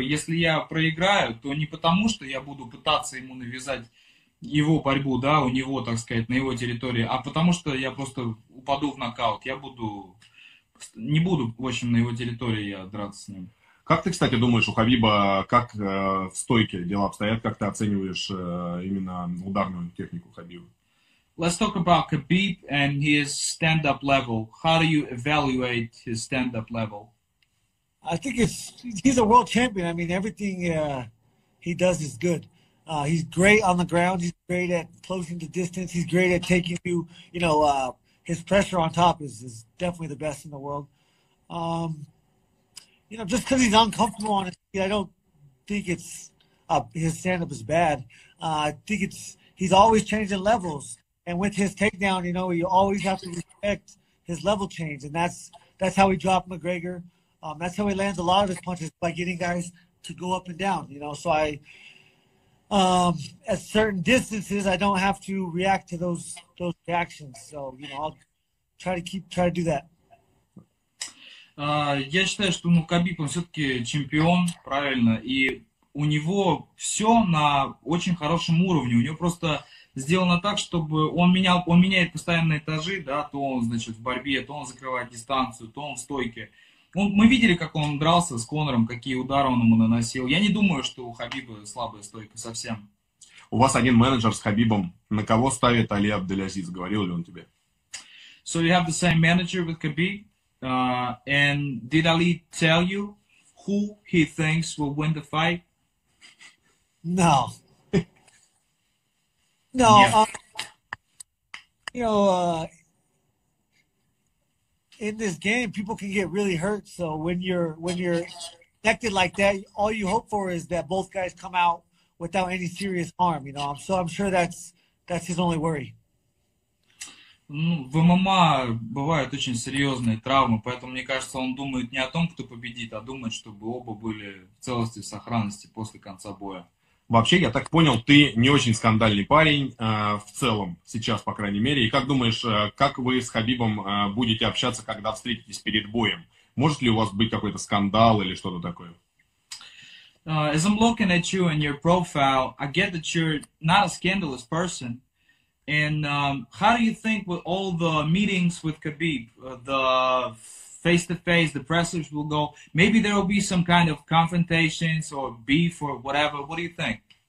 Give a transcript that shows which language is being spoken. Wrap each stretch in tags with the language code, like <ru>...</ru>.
<ru>Если я проиграю, то не потому, что я буду пытаться ему навязать его борьбу, да, у него, так сказать, на его территории, а потому что я просто упаду в нокаут. Я буду... не буду, в общем, на его территории я драться с ним. Как ты, кстати, думаешь, у Хабиба как в стойке дела обстоят? Как ты оцениваешь именно ударную технику Хабиба?</ru> <en>Let's talk about Khabib and his stand-up level. How do you evaluate his stand-up level? I think he's a world champion. I mean, everything he does is good. He's great on the ground. He's great at closing the distance. He's great at taking you, you know, his pressure on top is definitely the best in the world. You know, just because he's uncomfortable on his feet, I don't think it's his stand-up is bad. I think he's always changing levels. And with his takedown, you know, you always have to respect his level change. And that's how he dropped McGregor. That's how he lands a lot of his punches, by getting guys to go up and down, you know. So I, at certain distances, I don't have to react to those reactions. So, you know, I'll try to do that.</en> <ru>Я считаю, что, ну, Хабиб, он все-таки чемпион, правильно. И у него все на очень хорошем уровне. У него просто... сделано так, чтобы он меняет постоянно этажи, да, то он, значит, в борьбе, то он закрывает дистанцию, то он в стойке. Он, мы видели, как он дрался с Конором, какие удары он ему наносил. Я не думаю, что у Хабиба слабая стойка совсем. У вас один менеджер с Хабибом. На кого ставит Али Абдель-Азиз? Говорил ли он тебе?</ru> <en>So you have the same manager with Khabib. And did Ali tell you who he thinks will win the fight? No. No. Yeah. In this game, people can get really hurt. So when you're connected like that, all you hope for is that both guys come out without any serious harm. You know, I'm sure that's his only worry.</en> <ru>Ну, в ММА бывают очень серьезные травмы, поэтому, мне кажется, он думает не о том, кто победит, а думает, чтобы оба были в целости и сохранности после конца боя. Вообще, я так понял, ты не очень скандальный парень в целом сейчас, по крайней мере. И как думаешь, как вы с Хабибом будете общаться, когда встретитесь перед боем? Может ли у вас быть какой-то скандал или что-то такое?</ru> <en>As I'm looking at you and your profile, I get that you're not a scandalous person. And how do you think with all the meetings with Khabib, the face-to-face, the pressers will go? Maybe there will be some kind of confrontations or beef or whatever. What do you think?</en>